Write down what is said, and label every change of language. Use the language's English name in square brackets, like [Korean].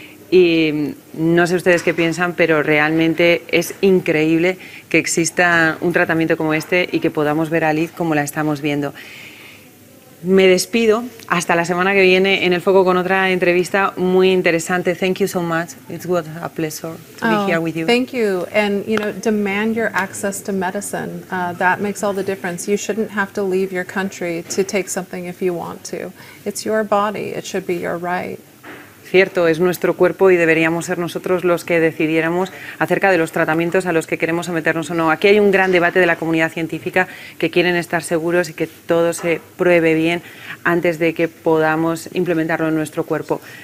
[Spanish] Y no sé ustedes qué piensan, pero realmente es increíble que exista un tratamiento como este y que podamos ver a Liz como la estamos viendo. Me despido. Hasta la semana que viene en El Foco con otra entrevista muy interesante. [English] Thank you so much. It was a pleasure to be here with you. Thank you. And, you know, demand your access to medicine. That makes all the difference. You shouldn't have to leave your country to take something if you want to. It's your body. It should be your right. [Spanish] Cierto, es nuestro cuerpo y deberíamos ser nosotros los que decidiéramos acerca de los tratamientos a los que queremos someternos o no. Aquí hay un gran debate de la comunidad científica que quieren estar seguros y que todo se pruebe bien antes de que podamos implementarlo en nuestro cuerpo.